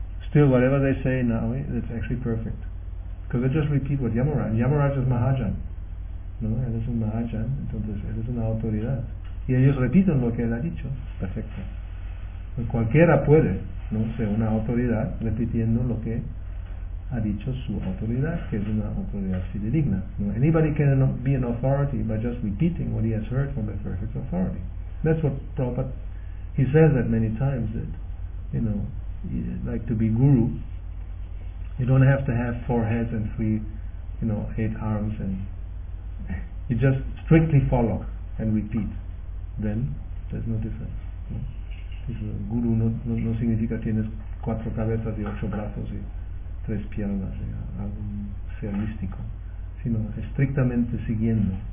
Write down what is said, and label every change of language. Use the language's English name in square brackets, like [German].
[English] Still, whatever they say now, it's actually perfect. Because they just repeat what Yamaraj. Yamaraj is Mahajan. [Spanish] No, él es un Mahajan, entonces él es una autoridad. Y ellos repiten lo que él ha dicho. Perfecto. Cualquiera puede, no sé, una autoridad repitiendo lo que ha dicho su autoridad, que es una autoridad fidedigna. [English] No, anybody can be an authority by just repeating what he has heard from the perfect authority. That's what Prabhupada, he says that many times, that, you know, like to be guru, you don't have to have four heads and three, you know, eight arms, and you just strictly follow and repeat. Then there's no difference. No? [Spanish] Guru no significa tienes cuatro cabezas y ocho brazos y tres piernas, algo ser místico, sino estrictamente siguiendo.